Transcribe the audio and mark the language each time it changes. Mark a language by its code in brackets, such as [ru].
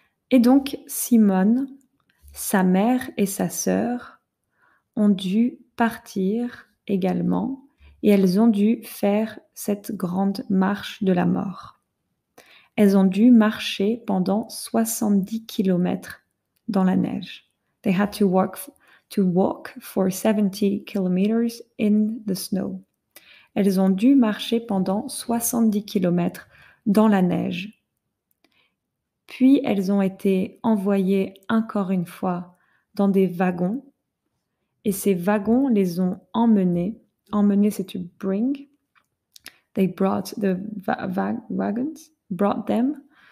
[fr] Et donc, Simone, sa mère et sa sœur ont dû partir également et elles ont dû faire cette grande marche de la mort. Elles ont dû marcher pendant 70 kilomètres dans la neige. [en] They had to walk for 70 kilometers in the snow. [fr] Elles ont dû marcher pendant 70 kilomètres dans la neige. Puis elles ont été envoyées encore une fois dans des wagons et ces wagons les ont emmenées. Emmener, c'est [en] to bring. They brought the wagons, brought them.